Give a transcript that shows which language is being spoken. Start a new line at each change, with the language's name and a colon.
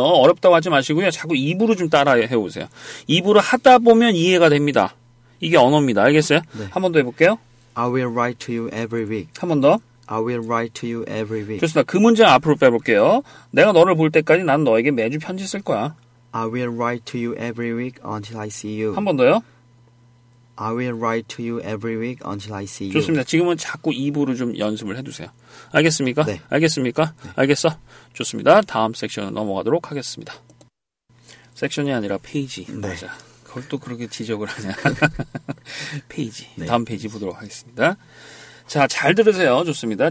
Korean: 어렵다고 하지 마시고요. 자꾸 입으로 좀 따라해 보세요. 입으로 하다 보면 이해가 됩니다. 이게 언어입니다. 알겠어요? 네. 한 번 더 해볼게요.
English: I will write to you every week.
Korean: 한 번 더.
English: I will write to you every week.
Korean: 좋습니다. 그 문장 앞으로 빼볼게요. 내가 너를 볼 때까지 나는 너에게 매주 편지 쓸 거야.
English: I will write to you every week until I see you.
Korean: 한 번 더요.
English: I will write to you every week until I see you.
Korean: 좋습니다. 지금은 자꾸 입으로 좀 연습을 해두세요. 알겠습니까? 네. 알겠습니까? 네. 알겠어? 좋습니다. 다음 섹션으로 넘어가도록 하겠습니다. 섹션이 아니라 페이지. 네. 맞아. 그걸 또 그렇게 지적을 하냐. 페이지. 네. 다음 페이지 보도록 하겠습니다. 자, 잘 들으세요. 좋습니다.